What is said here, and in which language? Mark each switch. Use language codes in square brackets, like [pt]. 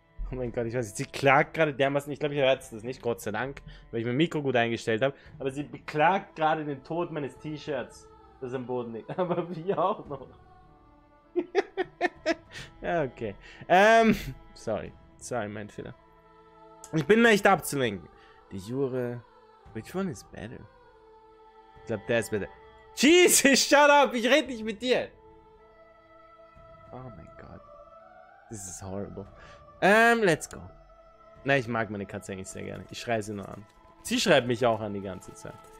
[de] Oh mein Gott, ich weiß nicht, sie klagt gerade dermaßen, ich glaube, ich hört das nicht, Gott sei Dank, weil ich mein Mikro gut eingestellt habe, aber sie beklagt gerade den Tod meines T-Shirts, das am Boden liegt, aber wie auch noch. Ja, okay, sorry, mein Fehler. Ich bin leicht abzulenken. Die Jure, [en] which one is better? [de] Ich glaube, der ist [en] better. [de] Jesus, [en] shut up, [de] ich rede nicht mit dir. Oh mein Gott, [en] this is horrible. Let's go. [de] Na, ich mag meine Katze eigentlich sehr gerne. Ich schreie sie nur an. Sie schreibt mich auch an die ganze Zeit.